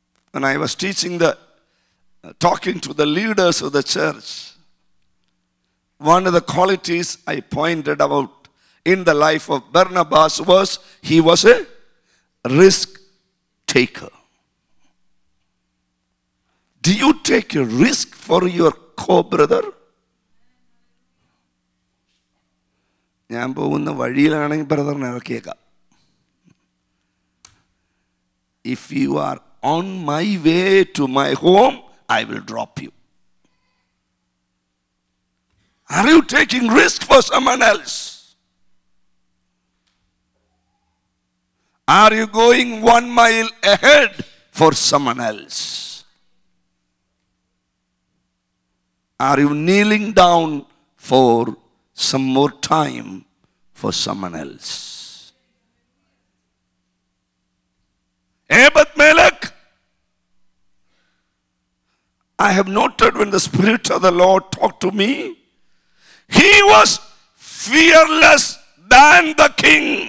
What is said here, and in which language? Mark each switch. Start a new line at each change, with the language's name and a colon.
English: When I was teaching the, talking to the leaders of the church, one of the qualities I pointed out in the life of Barnabas was he was a risk taker. Do you take a risk for your co-brother?
Malayalam: ഞാൻ പോകുന്ന വഴിയിലാണെങ്കിൽ ബ്രദറിനെ ഇറക്കിയേക്കാം.
English: If you are on my way to my home, I will drop you. Are you taking risk for someone else? Are you going 1 mile ahead for someone else? Are you kneeling down for some more time for someone else? Abed-Melech, I have noted when the Spirit of the Lord talked to me, he was fearless than the king.